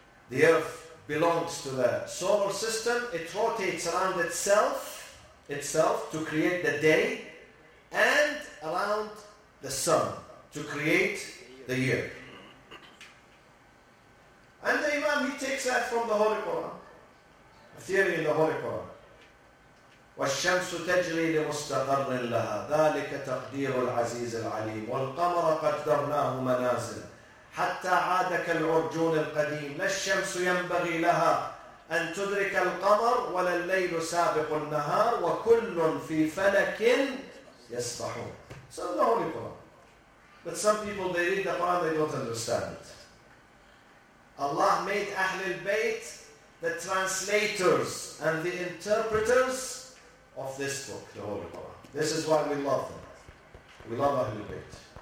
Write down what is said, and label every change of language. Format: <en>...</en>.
<en>The earth belongs to the solar system. It rotates around itself to create the day and around the sun to create the year. And the Imam, he takes that from the Holy Quran, a theory in the Holy Quran.</en> <ar>والشمس تجري لمستقر لها ذلك تقدير العزيز العليم والقمر قدرناه منازل حتى عاد كالعرجون القديم لا الشمس ينبغي لها أن تدرك القمر ولا الليل سابق النهار وكل في فلك يسبحون.</ar> <en>So the Holy Quran. But some people, they read the Quran, they don't understand it. Allah made Ahl al-Bayt the translators and the interpreters of this book, the Holy Quran. This is why we love them. We love Ahlul Bayt.</en>